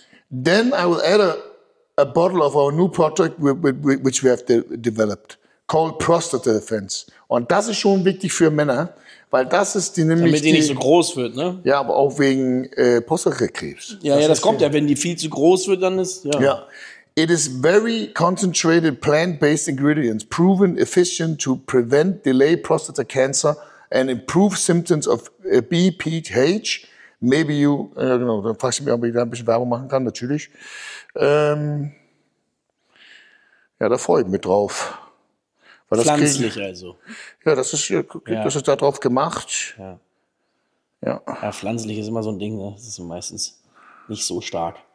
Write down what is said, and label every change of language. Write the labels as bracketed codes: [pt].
[en] Then I will add a bottle of our new product, which we have developed, called Prostata Defense. [de] Und das ist schon wichtig für Männer, weil das ist die nämlich. Damit die nicht so groß wird, ne? Ja, aber auch wegen Prostatakrebs. Ja, das kommt ja, wenn die viel zu groß wird, dann ist. Ja. [en] It is very concentrated plant-based ingredients, proven efficient to prevent, delay prostate cancer and improve symptoms of BPH. Maybe you. [de] Genau, dann fragst du mich, ob ich da ein bisschen Werbung machen kann, natürlich. Da freue ich mich drauf. Weil das pflanzlich kriegen, also. Ja, das ist da drauf gemacht. Ja, pflanzlich ist immer so ein Ding, ne? Das ist meistens nicht so stark.